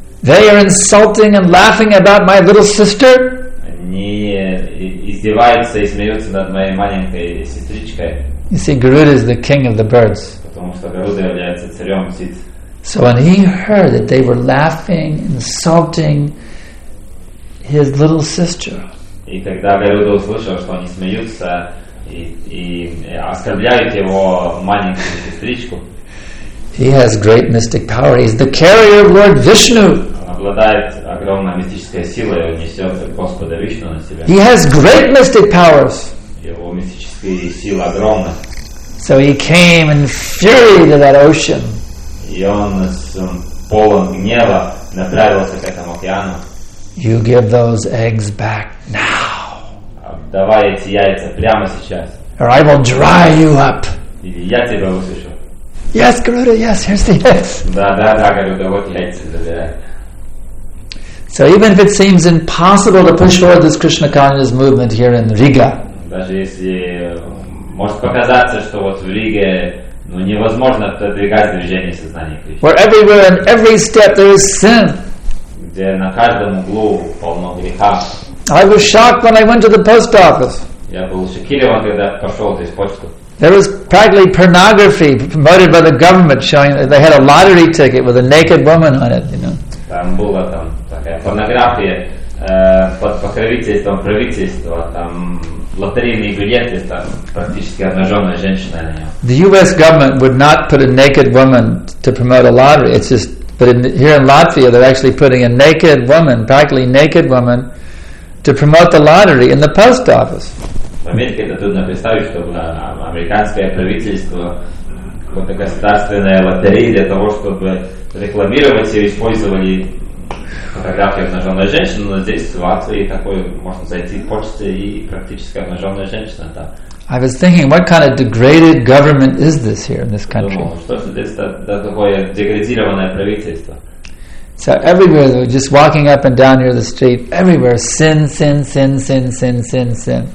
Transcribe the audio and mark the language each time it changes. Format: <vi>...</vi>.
<en>They are insulting and laughing about my little sister.</en> <ru>Они издеваются и смеются над моей маленькой сестричкой.</ru> <en>You see, Garuda is the king of the birds.</en> <ru>Потому что Garuda является царем птиц.</ru> <en>So when he heard that they were laughing, insulting his little sister,</en> <ru>и тогда Garuda услышал, что они смеются и оскорбляют его маленькую сестричку.</ru> <en>He has great mystic power. He's the carrier of Lord Vishnu.</en> <ru>Он обладает огромной мистической силой. Он несет Господа Вишну на себя.</ru> <en>He has great mystic powers.</en> <ru>Его мистическая сила огромна.</ru> <en>So he came in fury to that ocean.</en> <ru>И он с полон гнева направился к этому океану.</ru> <en>You give those eggs back now.</en> <ru>Давай эти яйца прямо сейчас.</ru> <en>Or I will dry you up.</en> <ru>Или я тебя высушу.</ru> <en>Yes, Garuda, yes, here's the eggs.</en> <ru>Да, Garuda, вот яйца забирай.</ru> <en>So even if it seems impossible to push forward this Krishna consciousness movement here in Riga.</en> <ru>Даже если может показаться, что вот в Риге но невозможно продвигать движение сознания Кришны.</ru> <en>Where everywhere and every step there is sin.</en> <ru>где на каждом углу полно греха.</ru> <en>I was shocked when I went to the post office.</en> <ru>Я был шокирован, когда пошел здесь почту.</ru> <en>There was practically pornography promoted by the government, showing they had a lottery ticket with a naked woman on it. You know.</en> <ru>Там была там такая порнография под покровительством правительства, там лотерейные билеты, там практически обнаженная женщина на нем.</ru> <en>The U.S. government would not put a naked woman to promote a lottery. It's just, but in, here in Latvia, they're actually putting a naked woman, practically naked woman, to promote the lottery in the post office.</en> <ru>В Америке это трудно представить, чтобы американское правительство, какое-то государственное лотерея для того, чтобы рекламировать и использовали фотографии обнаженной женщины, но здесь в Латвии такое можно зайти в почте и практически обнаженная женщина там.</ru> <en>I was thinking, what kind of degraded government is this here in this country? So everywhere, just walking up and down near the street, everywhere, sin, sin, sin, sin, sin, sin, sin.</en>